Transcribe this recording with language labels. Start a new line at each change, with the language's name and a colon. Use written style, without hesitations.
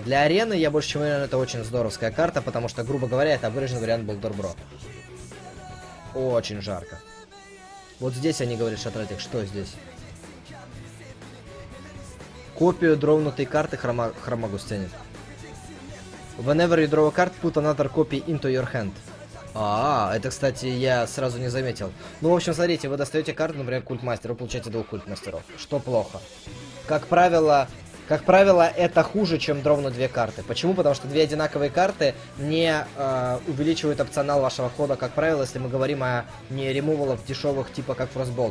Russian: Для арены, я больше чем уверен, это очень здоровская карта, потому что, грубо говоря, это выраженный вариант Болдер Бро. Очень жарко. Вот здесь они говорят, Шатратик, что здесь? Копию дровнутой карты хромагус тянет.
English: Whenever you draw a card, put another copy into your hand.
Russian: Это, кстати, я сразу не заметил. Ну, в общем, смотрите, вы достаете карту, например, культ мастера, вы получаете двух культ мастеров. Что плохо. Как правило, это хуже, чем дровну две карты. Почему? Потому что две одинаковые карты не увеличивают опционал вашего хода, как правило, если мы говорим о не ремувалах дешевых, типа как фростболт.